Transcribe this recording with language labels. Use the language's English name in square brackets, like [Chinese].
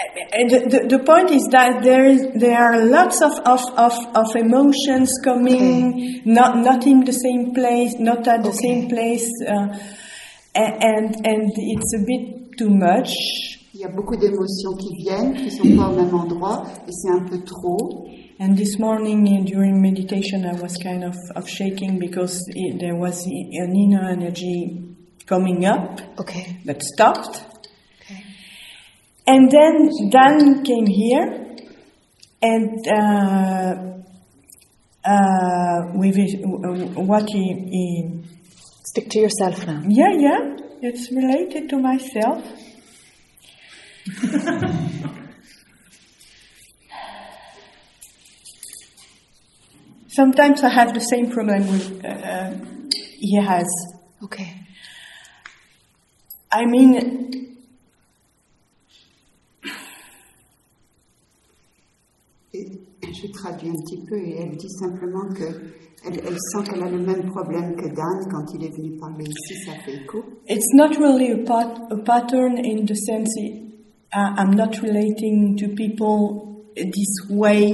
[English] The point is that there are lots of emotions coming, okay. not in the same place, not at okay. the same place, and it's a bit too much. [French] Il y a beaucoup d'émotions qui viennent, qui sont pas au même endroit, et c'est un peu trop. [English] And this morning, during meditation, I was kind of shaking because there was an inner energy coming up, okay. but stopped. Okay. And then Dan came here, and with what he stick to yourself now. Yeah, it's related to myself. Sometimes I have the same problem with he has. Okay. I mean, [French] je traduis un petit peu et elle dit simplement que elle sent qu'elle a le même problème que Dan quand il est venu parler ici, ça fait écho. [English] It's not really a pattern in the sense it, I'm not relating to people this way,